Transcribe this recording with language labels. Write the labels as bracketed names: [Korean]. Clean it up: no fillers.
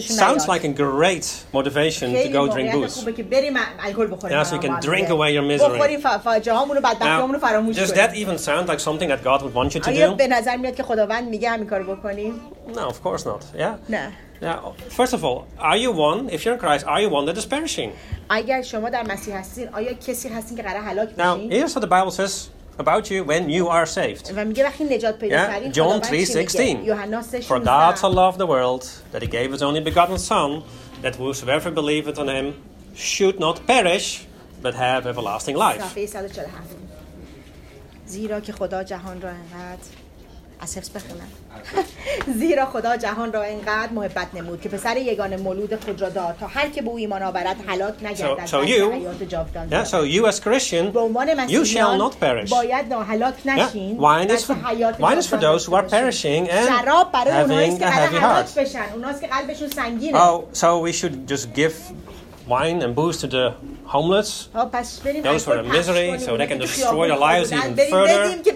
[English] sounds like a great motivation to go drink booze. Yeah, so you can drink away your misery. Now, does that even sound like something that God would want you to do? No, of course not. Yeah. No. Yeah. First of all, are you one? If you're in Christ, are you one that is perishing? [Persian] اگر شما در مسیح هستین، آیا کسی هستین که قرار هلاک بشین؟ [English] Now, here's what the Bible says about you when you are saved. [Persian] و میگه وقتی نجات پیدا کردین، [English] John 3:16. For God so loved the world that he gave his only begotten Son, that whosoever believeth on him should not perish, but have everlasting life. [Persian] صفحه 147. زیرا که خدا جهان را انقدر اسفس بخونم. زیرا خدا جهان را اینقدر محبت نمود که پسر یگانه مولود خود را داد تا هر که به او ایمان آورد هلاک نگردد و حیات جاودان دارد. [English] So you as Christian, you shall not perish. [Persian] باید ناهلاک نشین. [English] Wine is for those who are perishing and [Persian] شراب برای اونایی که قلبشون سنگینه. [English] Oh, so we should just give wine and booze to the homeless, those who are in misery, so they can destroy their lives even further.